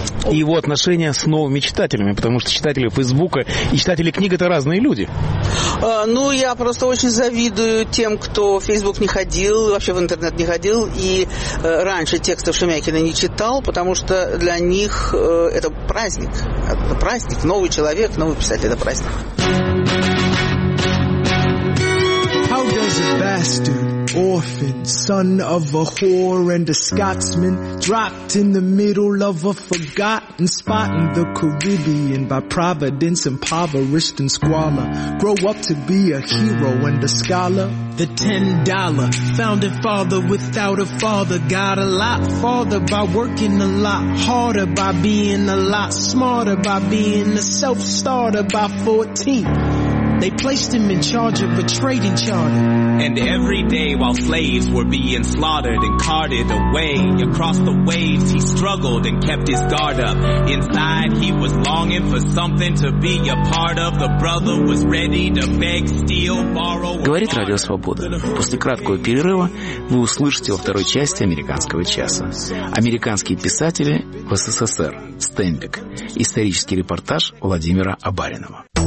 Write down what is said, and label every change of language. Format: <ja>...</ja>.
<ru>И его отношения с новыми читателями, потому что читатели Фейсбука и читатели книг – это разные люди. Я просто очень завидую тем, кто в Фейсбук не ходил, вообще в интернет не ходил, и раньше текстов Шемякина не читал, потому что для них это праздник. Это праздник, новый человек, новый писатель – это праздник.</ru> <en>How does a bastard, orphan, son of a whore and a Scotsman, dropped in the middle of a forgotten spot in the Caribbean by providence, impoverished and squalor, grow up to be a hero and a scholar? The $10 founding father without a father got a lot farther by working a lot harder, by being a lot smarter, by being a self-starter by 14. They placed him in charge of a trading charter. And every day while slaves were being slaughtered and carted away across the waves, he struggled and kept his guard up. Inside, he was longing for something to be a part of. The brother was ready to beg, steal, borrow.</en> <ru>Говорит Радио Свобода. После краткого перерыва вы услышите во второй части «Американского часа». Американские писатели в СССР. Стенбек. Исторический репортаж Владимира Абаринова.</ru>